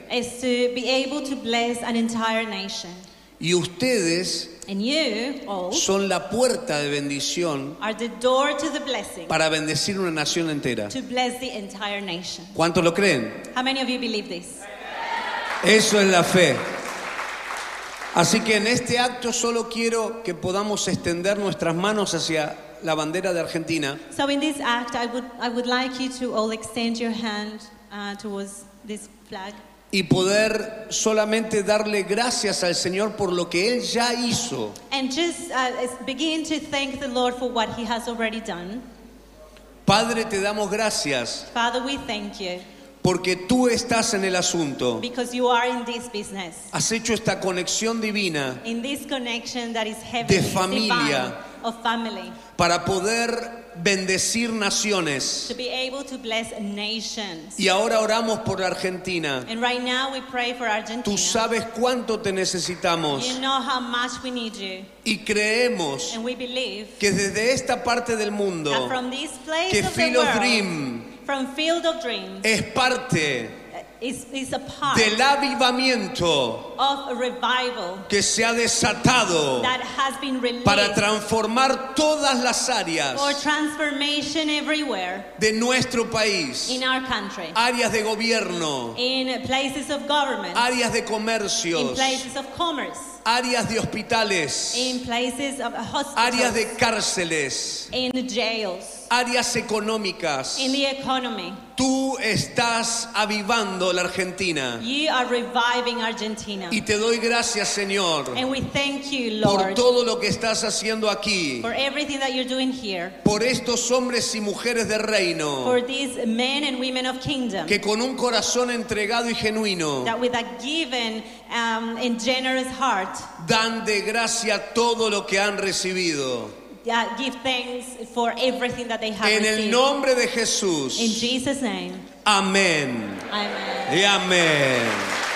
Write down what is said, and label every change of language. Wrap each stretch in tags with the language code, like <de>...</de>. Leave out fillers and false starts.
<en>Is to be able to bless an entire nation.</en> <es>Y ustedes,</es> <en>and you all,</en> <es>son la puerta de bendición,</es> <en>are the door to the blessing,</en> <es>para bendecir una nación entera.</es> <en>To bless the entire nation.</en> <es>¿Cuántos lo creen?</es> <en>How many of you believe this?</en> <es>Eso es la fe. Así que en este acto solo quiero que podamos extender nuestras manos hacia la bandera de Argentina.</es> <en>So in this act I would like you to all extend your hand towards this flag.</en> <es>Y poder solamente darle gracias al Señor por lo que Él ya hizo.</es> <en>And just begin to thank the Lord for what He has already done.</en> <es>Padre, te damos gracias.</es> <en>Father, we thank you.</en> <es>Porque tú estás en el asunto.</es> <en>Because you are in this business.</en> <es>Has hecho esta conexión divina.</es> <en>In this connection that is heavenly,</en> <es>de familia.</es> <en>Divine, of family.</en> <es>Para poder bendecir naciones.</es> <en>To be able to bless nations.</en> <es>Y ahora oramos por Argentina.</es> <en>And right now we pray for Argentina.</en> <es>Tú sabes cuánto te necesitamos.</es> <en>You know how much we need you.</en> <es>Y creemos.</es> <en>And we believe.</en> <es>Que desde esta parte del mundo.</es> <en>That from this place</en> <es>que</es> <en>of the world, Dream. From Field of Dreams,</en> <es>es parte</es> <en>is a part</en> <es>del avivamiento</es> <en>of a revival</en> <es>que se ha desatado</es> <en>that has been released</en> <es>para transformar todas las áreas</es> <en>for transformation everywhere</en> <es>de nuestro país,</es> <en>in our country,</en> <es>áreas de gobierno,</es> <en>in places of government,</en> <es>áreas de comercio,</es> <en>in places of commerce,</en> <es>áreas de hospitales,</es> <en>in places of hospitals,</en> <es>áreas de cárceles,</es> <en>in jails,</en> <es>áreas económicas,</es> <en>in the economy.</en> <es>Tú estás avivando la Argentina.</es> <en>You are reviving Argentina.</en> <es>Y te doy gracias, Señor.</es> <en>And we thank you, Lord,</en> <es>por todo lo que estás haciendo aquí.</es> <en>For everything that you're doing here.</en> <es>Por estos hombres y mujeres de reino.</es> <en>For these men and women of kingdom.</en> <es>Que con un corazón entregado y genuino.</es> <en>That with a given and generous heart.</en> <es>Dan de gracia todo lo que han recibido.</es> <en>Give thanks for everything that they have</en> <es>en el</es> <en>received.</en> <es>Nombre de Jesús.</es> <en>In Jesus' name.</en> <es>Amén.</es> <en>Amen. Amen. Amen.</en>